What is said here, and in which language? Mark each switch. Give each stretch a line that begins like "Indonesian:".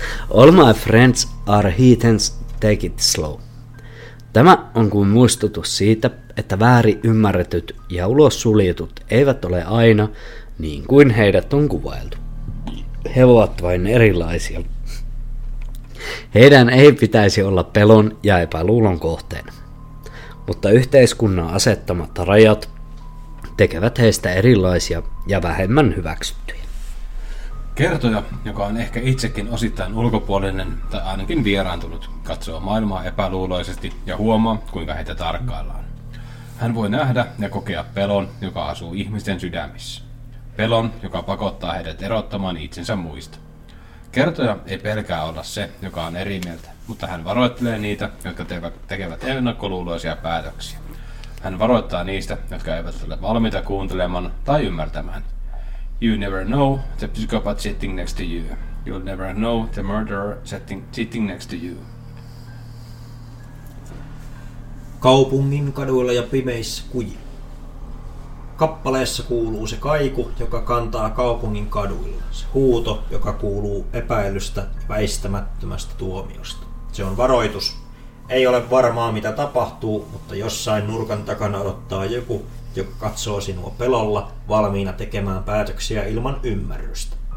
English: All my friends are heathens, take it slow.
Finnish: Tämä on kuin muistutus siitä, että väärin ymmärretyt ja ulos suljetut eivät ole aina niin kuin heidät on kuvailtu. He ovat vain erilaisia. Heidän ei pitäisi olla pelon ja epäluulon kohteena. Mutta yhteiskunnan asettamat rajat tekevät heistä erilaisia ja vähemmän hyväksyttyjä. Kertoja, joka on ehkä itsekin osittain ulkopuolinen tai ainakin vieraantunut, katsoo maailmaa epäluuloisesti ja huomaa, kuinka heitä tarkkaillaan. Hän voi nähdä ja kokea pelon, joka asuu ihmisten sydämissä. Pelon, joka pakottaa heidät erottamaan itsensä muista. Kertoja ei pelkää olla se, joka on eri mieltä, mutta hän varoittelee niitä, jotka tekevät ennakkoluuloisia päätöksiä. Hän varoittaa niistä, jotka eivät ole valmiita kuuntelemaan tai ymmärtämään.
English: You never know the psychopath sitting next to you. You'll never know the murderer sitting next to you.
Finnish: Kaupungin kaduilla ja pimeissä kuji. Kappaleessa kuuluu se kaiku, joka kantaa kaupungin kaduilla. Se huuto, joka kuuluu epäilystä väistämättömästä tuomiosta. Se on varoitus. Ei ole varmaa, mitä tapahtuu, mutta jossain nurkan takana odottaa joku, joka katsoo sinua pelolla, valmiina tekemään päätöksiä ilman ymmärrystä.